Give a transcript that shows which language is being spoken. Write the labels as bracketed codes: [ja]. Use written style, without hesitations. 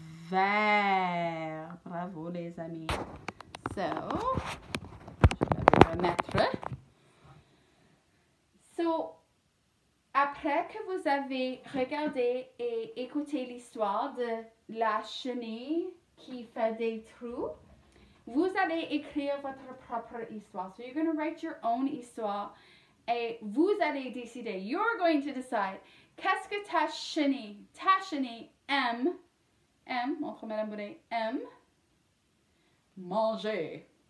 [fr] Vert. Bravo, les amis. So, je vais le remettre. So, après que vous avez regardé et écouté l'histoire de la chenille qui fait des trous, vous allez écrire votre propre histoire. [en] So, you're going to write your own histoire. [fr] Et vous allez décider, [en] you're going to decide, [fr] qu'est-ce que ta chenille aime, montre Madame Boulet, aime manger.